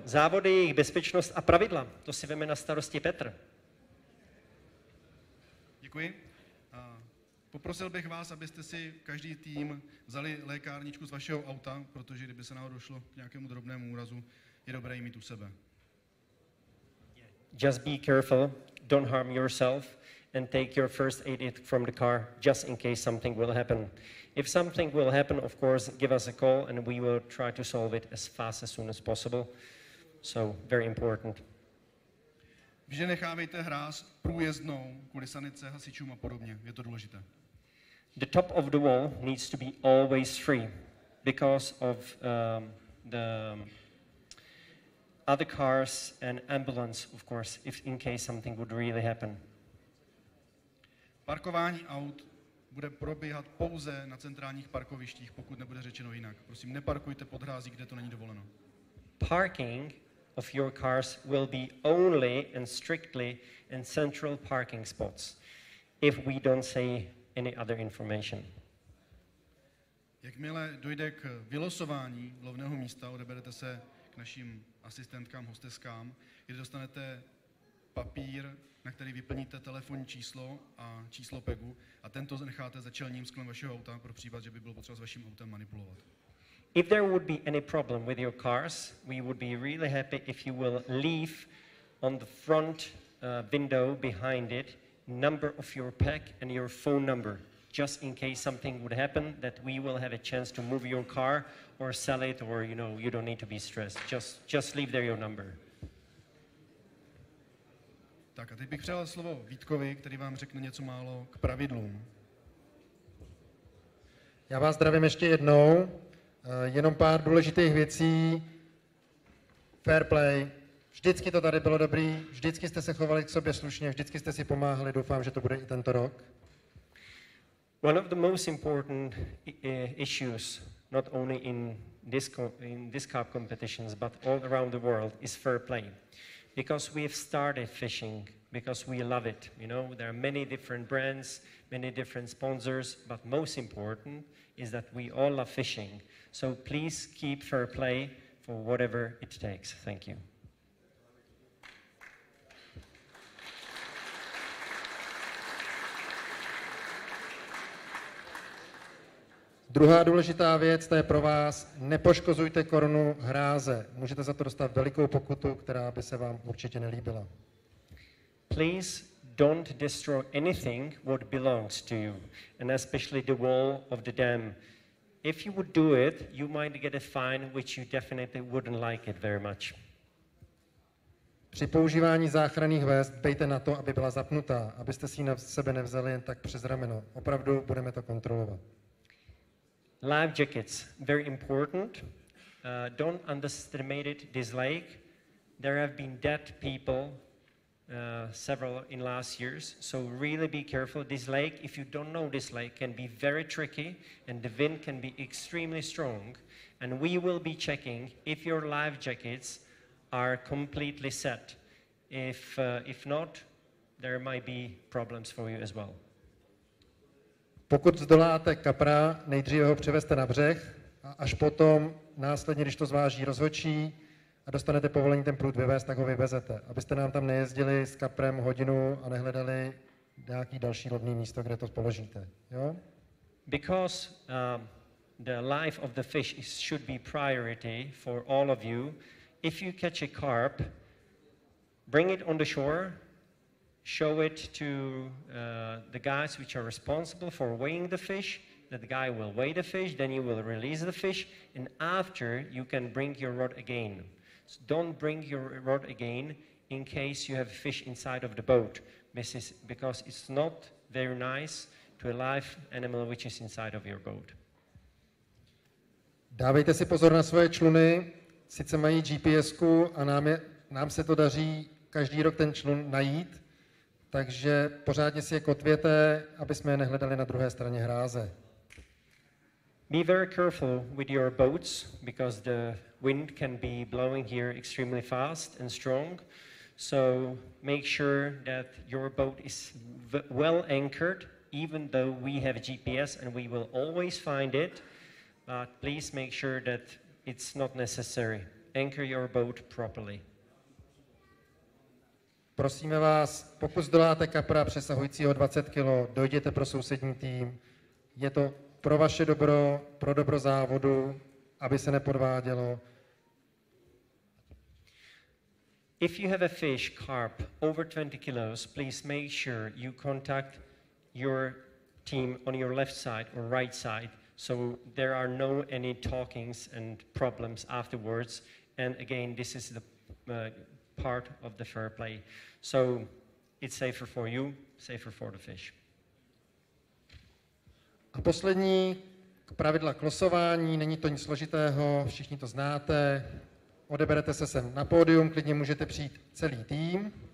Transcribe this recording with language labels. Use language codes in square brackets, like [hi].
[cs] Závody, jejich bezpečnost a pravidla, to si veme na starosti Petr. Děkuji. Poprosil bych vás, abyste si každý tým vzali lékárničku z vašeho auta, protože kdyby se náhodou došlo k nějakému drobnému úrazu, je dobré mít u sebe. [en] Just be careful, don't harm yourself and take your first aid kit from the car just in case something will happen. If something will happen, of course, give us a call and we will try to solve it as fast as soon as possible. So, very important. [cs] Vždy nechávejte hráz průjezdnou kvůli sanice, hasičům a podobně. Je to důležité. [en] The top of the wall needs to be always free because of the other cars and ambulance, of course, if in case something would really happen. [cs] Parkování aut bude probíhat pouze na centrálních parkovištích, pokud nebude řečeno jinak. Prosím, neparkujte pod hrází, kde to není dovoleno. [en] Parking of your cars will be only and strictly in central parking spots if we don't say any other information. [cs] Jakmile dojde k vylosování lovného místa, odeberete se k našim asistentkám, hosteskám, kde dostanete papír, na který vyplníte telefonní číslo a číslo PEGu a tento necháte za čelním sklem vašeho auta pro případ, že by bylo potřeba s vaším autem manipulovat. [en] If there would be any problem with your cars, we would be really happy if you will leave on the front window behind it number of your pack and your phone number, just in case something would happen, that we will have a chance to move your car or sell it, or you know, you don't need to be stressed. Just leave there your number. [cs] Tak a teď bych přijal slovo Vítkovi, který vám řekne něco málo k pravidlům. Já vás zdravím ještě jednou. Jenom pár důležitých věcí. Fair play. Vždycky to tady bylo dobrý, vždycky jste se chovali k sobě slušně, vždycky jste si pomáhali, doufám, že to bude i tento rok. [en] One of the most important issues, not only in this carp competitions, but all around the world, is fair play. Because we have started fishing, because we love it, you know, there are many different brands, many different sponsors, but most important is that we all love fishing. So please keep fair play for whatever it takes. Thank you. [cs] Druhá důležitá věc, to je pro vás, nepoškozujte korunu hráze. Můžete za to dostat velikou pokutu, která by se vám určitě nelíbila. [en] Please don't destroy anything what belongs to you, and especially the wall of the dam. If you would do it, you might get a fine, which you definitely wouldn't like it very much. [cs] Při používání záchranných vest dejte na to, aby byla zapnutá, abyste si ji na sebe nevzali jen tak přes rameno. Opravdu budeme to kontrolovat. [en] Life jackets, very important. Don't underestimate this lake. There have been dead people several in last years, so really be careful. This lake, if you don't know this lake, can be very tricky and the wind can be extremely strong. And we will be checking if your life jackets are completely set. If not, there might be problems for you as well. [cs] Pokud zdoláte kapra, nejdříve ho převezte na břeh a až potom, následně, když to zváží rozhodčí a dostanete povolení ten plut vyvést, tak ho vyvezete, abyste nám tam nejezdili s kaprem hodinu a nehledali nějaký další lovné místo, kde to položíte. Jo? [en] Because the life of the fish should be priority for all of you. If you catch a carp, bring it on the shore, show it to the guys which are responsible for weighing the fish, that the guy will weigh the fish, then you will release the fish, and after you can bring your rod again. So don't bring your rod again in case you have fish inside of the boat, because it's not very nice to a live animal which is inside of your boat. [cs] Dávejte si pozor na svoje čluny, sice mají GPSku a nám se to daří každý rok ten člun najít, takže pořádně si je kotvěte, aby jsme je nehledali na druhé straně hráze. [en] Be very careful with your boats because the wind can be blowing here extremely fast and strong. So make sure that your boat is well anchored, even though we have GPS and we will always find it. But please make sure that it's not necessary. Anchor your boat properly. [cs] Prosíme vás, pokud zdoláte kapra přesahujícího 20 kilo, dojděte pro sousední tým. Je to pro vaše dobro, pro dobro závodu, aby se nepodvádělo. [en] If you have a fish, carp, over 20 kilos, please make sure you contact your team on your left side or right side, so there are no any talkings and problems afterwards. And again, this is the part of the fair play. So it's safer for you, safer for the fish. [cs] A poslední, pravidla klosování, není to nic složitého, všichni to znáte. Odeberete se sem na pódium, klidně můžete přijít celý tým.